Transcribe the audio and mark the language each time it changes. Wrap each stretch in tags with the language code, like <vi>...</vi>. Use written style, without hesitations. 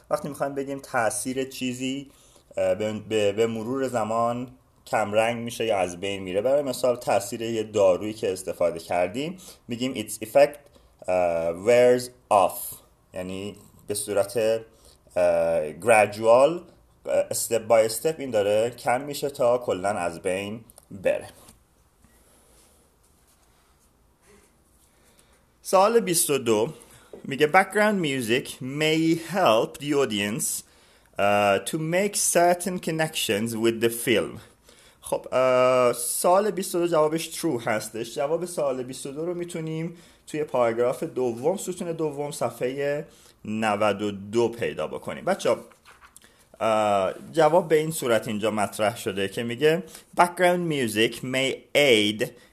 <fa>وقتی میخوایم بگیم تأثیر چیزی به مرور زمان کم رنگ میشه یا از بین میره، برای مثال تأثیر یه دارویی که استفاده کردیم، میگیم</fa> <en>its effect wears off،</en> <fa>یعنی به صورت</fa> <en>gradual step by step</en> <fa>این داره کم میشه تا کلن از بین بره. سوال 22 میگه</fa> <en>background music may help the audience to make certain connections with the film.</en> <fa>خب سوال 22 جوابش true هستش. جواب سوال 22 رو میتونیم توی پاراگراف دوم ستون دوم صفحه 92 پیدا بکنیم. بچه ها جواب به این صورت اینجا مطرح شده که میگه</fa> <en>background music may aid.</en>